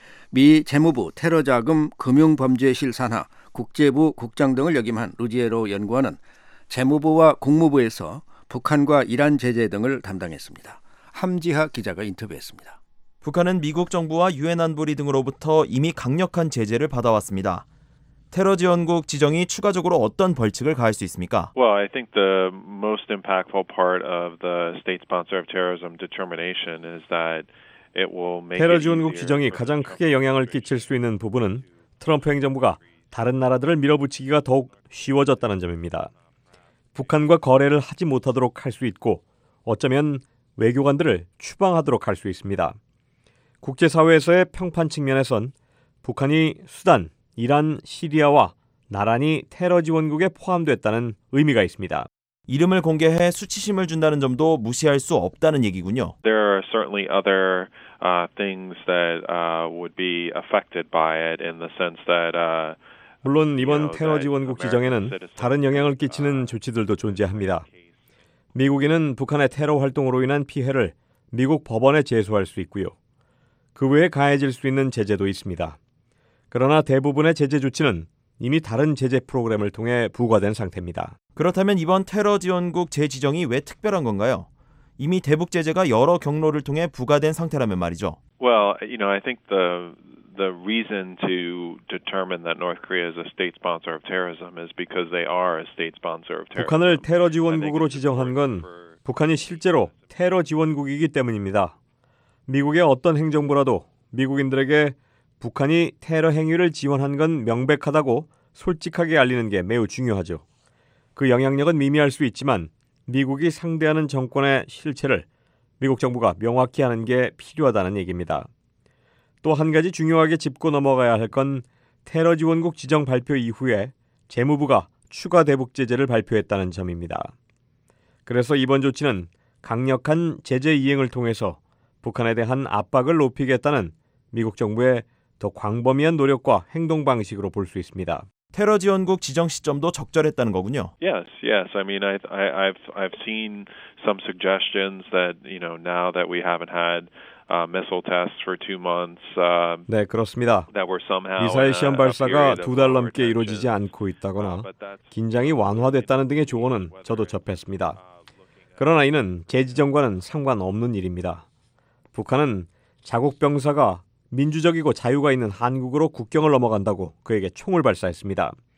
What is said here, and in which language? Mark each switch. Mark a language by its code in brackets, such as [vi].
[ko] 미 재무부 테러자금 금융범죄실 산하 국제부 국장 등을 역임한 루지에로 연구원은 재무부와 국무부에서 북한과 이란 제재 등을 담당했습니다. 함지하 기자가 인터뷰했습니다. 북한은 미국 정부와 유엔 안보리 등으로부터 이미 강력한 제재를 받아왔습니다. 테러 지원국 지정이 추가적으로 어떤 벌칙을 가할 수 있습니까? [en] Well, I think the most impactful part of the state sponsor of terrorism determination is that it will make [ko] 테러 지원국 지정이 가장 크게 영향을 끼칠 수 있는 부분은 트럼프 행정부가 다른 나라들을 밀어붙이기가 더욱 쉬워졌다는 점입니다. 북한과 거래를 하지 못하도록 할 수 있고 어쩌면 외교관들을 추방하도록 할 수 있습니다. 국제사회에서의 평판 측면에선 북한이 수단, 이란, 시리아와 나란히 테러 지원국에 포함됐다는 의미가 있습니다. 이름을 공개해 수치심을 준다는 점도 무시할 수 없다는 얘기군요. [en] There are certainly other things that would be affected by it in the sense that [ko] 물론 이번 테러 지원국 지정에는 다른 영향을 끼치는 조치들도 존재합니다. 미국인은 북한의 테러 활동으로 인한 피해를 미국 법원에 제소할 수 있고요. 그 외에 가해질 수 있는 제재도 있습니다. 그러나 대부분의 제재 조치는 이미 다른 제재 프로그램을 통해 부과된 상태입니다. 그렇다면 이번 테러 지원국 재지정이 왜 특별한 건가요? 이미 대북 제재가 여러 경로를 통해 부과된 상태라면 말이죠. [en] Well, you know, I think the reason to determine that North Korea is a state sponsor of terrorism is because they are a state sponsor of terrorism. [ko] 북한을 테러 지원국으로 지정한 건 북한이 실제로 테러 지원국이기 때문입니다. 미국의 어떤 행정부라도 미국인들에게 북한이 테러 행위를 지원한 건 명백하다고 솔직하게 알리는 게 매우 중요하죠. 그 영향력은 미미할 수 있지만 미국이 상대하는 정권의 실체를 미국 정부가 명확히 하는 게 필요하다는 얘기입니다. 또 한 가지 중요하게 짚고 넘어가야 할 건 테러 지원국 지정 발표 이후에 재무부가 추가 대북 제재를 발표했다는 점입니다. 그래서 이번 조치는 강력한 제재 이행을 통해서 북한에 대한 압박을 높이겠다는 미국 정부의 더 광범위한 노력과 행동 방식으로 볼 수 있습니다. 테러 지원국 지정 시점도 적절했다는 거군요. [en] Yes, yes. I mean, I've seen some suggestions that, you know, now that we haven't had missile tests for 2 months. [ko] 네, 그렇습니다. 미사일 시험 발사가 두 달 넘게 이루어지지 않고 있다거나 긴장이 완화됐다는 등의 조언은 저도 접했습니다. 그러나 이는 재지정과는 상관없는 일입니다. 북한은 자국 병사가 민주적이고 자유가 있는 한국으로 국경을 넘어간다고 그에게 총을 발사했습니다.